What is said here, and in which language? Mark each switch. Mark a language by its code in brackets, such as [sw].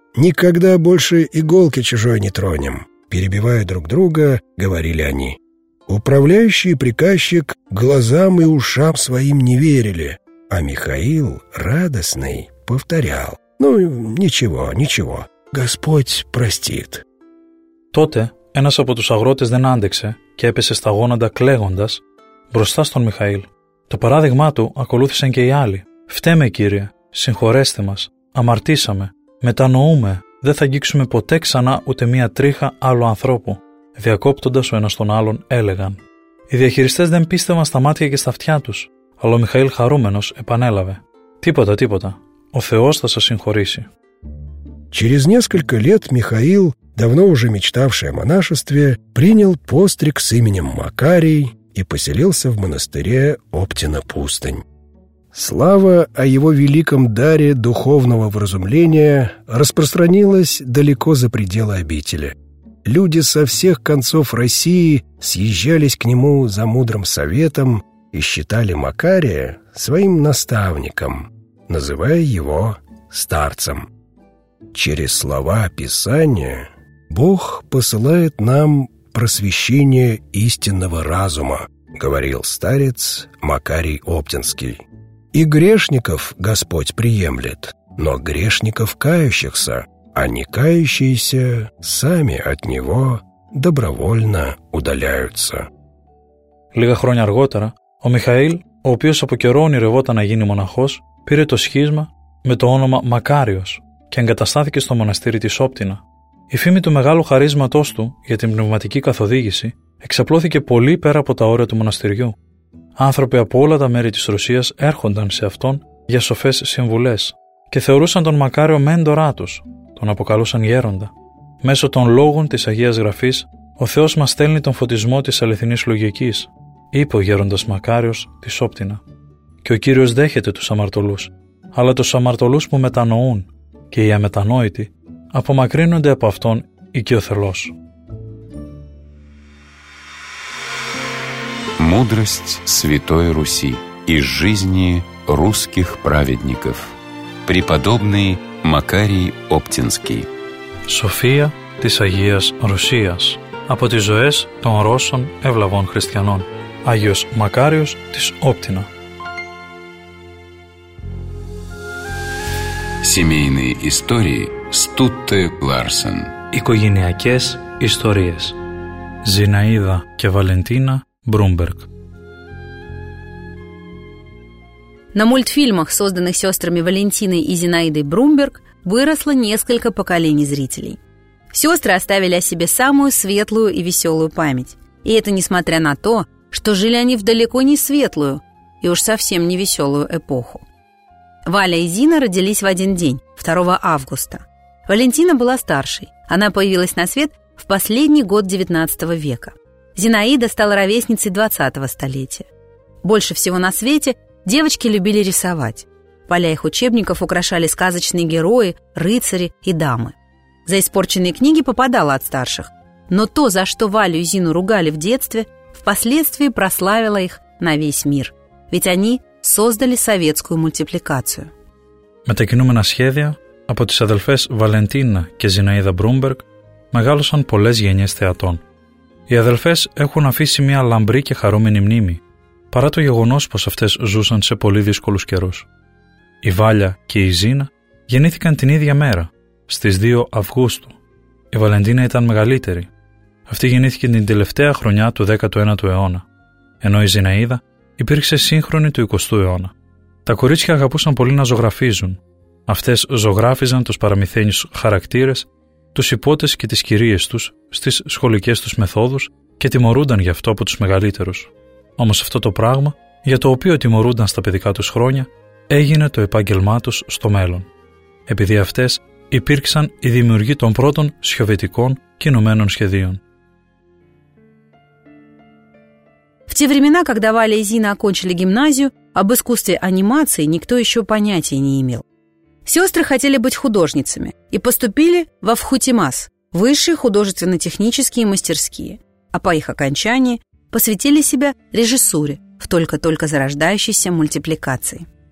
[ru] Никогда больше иголки чужой не тронем», — перебивая друг друга, говорили они. Управляющий и приказчик глазам и ушам своим не верили, а Михаил, радостный, повторял: «Ну, ничего, ничего. Господь простит». [el] Τότε ένας από τους αγρότες δεν άντεξε και έπεσε στα γόνατα κλαίγοντας μπροστά στον Μιχαήλ. Το παράδειγμά του ακολούθησαν και οι άλλοι. «Φταίμε, Κύριε, συγχωρέστε μας, αμαρτήσαμε, μετανοούμε, δεν θα αγγίξουμε ποτέ ξανά ούτε μία τρίχα άλλου ανθρώπου», διακόπτοντας ο ένας τον άλλον έλεγαν. Οι διαχειριστές δεν πίστευαν στα μάτια και στα αυτιά τους, αλλά ο Μιχαήλ χαρούμενος επανέλαβε: «Τίποτα, τίποτα. Ο Θεός θα σας συγχωρήσει». [ru] Через несколько лет Михаил, давно уже мечтавший о монашестве, принял постриг с именем Макарий и поселился в монастыре Оптина-Пустынь. Слава о его великом даре духовного вразумления распространилась далеко за пределы обители. Люди со всех концов России съезжались к нему за мудрым советом и считали Макария своим наставником, называя его старцем. Через слова Писания Бог посылает нам просвещение истинного разума, говорил старец Макарий Оптинский. И грешников Господь приемлет, но грешников кающихся, а не кающиеся сами от Него добровольно удаляются. [el] Λίγα χρόνια αργότερα, ο Μιχαήλ, ο οποίος από καιρό ονειρευόταν να γίνει μοναχός, πήρε το σχίσμα με το όνομα Μακάριος και εγκαταστάθηκε στο μοναστήρι της Όπτινα. Η φήμη του μεγάλου χαρίσματός του για την πνευματική καθοδήγηση εξαπλώθηκε πολύ πέρα από τα όρια του μοναστηριού. Άνθρωποι από όλα τα μέρη της Ρωσίας έρχονταν σε αυτόν για σοφές συμβουλές και θεωρούσαν τον Μακάριο μέντορά τους, τον αποκαλούσαν γέροντα. Μέσω των λόγων της Αγίας Γραφής, ο Θεός μας στέλνει τον φωτισμό της αληθινής λογικής, είπε ο γέροντας Μακάριος της Όπτινα. Και ο Κύριος δέχεται τους αμαρτωλούς, αλλά τους αμαρτωλούς που μετανοούν και οι αμετανόητοι απομακρύνονται από αυτόν οικειοθελώς. [ru] Мудрость Святой Руси из жизни русских праведников. Преподобный Макарий Оптинский. [el] София της Αγίας Ρωσίας. Από τις ζωές των Ρώσων ευλαβών χριστιανών. Άγιος Μακάριος της Όπτινα. [ru] Семейные истории Стутте Ларсен. [el] Οικογενειακές ιστορίες. Ζιναΐδα και Βαλεντίνα Μπρούμπεργκ. [ru] На мультфильмах, созданных сестрами Валентиной и Зинаидой Брумберг, выросло несколько поколений зрителей. Сестры оставили о себе самую светлую и веселую память. И это несмотря на то, что жили они в далеко не светлую и уж совсем не веселую эпоху. Валя и Зина родились в один день, 2 августа. Валентина была старшей. Она появилась на свет в последний год 19 века. Зинаида стала ровесницей 20 столетия. Больше всего на свете девочки любили рисовать. Поля их учебников украшали сказочные герои, рыцари и дамы. За испорченные книги попадало от старших. Но то, за что Валю и Зину ругали в детстве, впоследствии прославило их на весь мир. Ведь они создали советскую мультипликацию. [el] Μετακινούμενα σχέδια από τις αδελφές Βαλεντίνα και Ζιναίδα Μπρούμπεργκ μεγάλωσαν πολλές γενιές θεατών. Οι αδελφές έχουν αφήσει μια λαμπρή και χαρούμενη μνήμη, παρά το γεγονός πως αυτές ζούσαν σε πολύ δύσκολους καιρούς. Η Βάλια και η Ζίνα γεννήθηκαν την ίδια μέρα, στις 2 Αυγούστου. Η Βαλεντίνα ήταν μεγαλύτερη. Αυτή γεννήθηκε την τελευταία χρονιά του 19ου αιώνα, ενώ η Ζιναίδα υπήρξε σύγχρονη του 20ου αιώνα. Τα κορίτσια αγαπούσαν πολύ να ζωγραφίζουν. Αυτές ζωγράφιζαν τους παραμυθένιους χαρακτήρες, τους υπότες και τις κυρίες τους, στις σχολικές τους μεθόδους και τιμωρούνταν γι' αυτό από τους μεγαλύτερους. Όμως αυτό το πράγμα, για το οποίο τιμωρούνταν στα παιδικά τους χρόνια, έγινε το επάγγελμά τους στο μέλλον. Επειδή αυτές υπήρξαν οι δημιουργοί των πρώτων σοβιετικών κινουμένων σχεδίων. [ru] В те времена, когда Валя и Зина окончили гимназию, об искусстве анимации никто еще понятия не имел. Сестры хотели быть художницами и поступили во ВХУТИМАС – высшие художественно-технические мастерские, а по их окончании посвятили себя режиссуре в только-только зарождающейся мультипликации.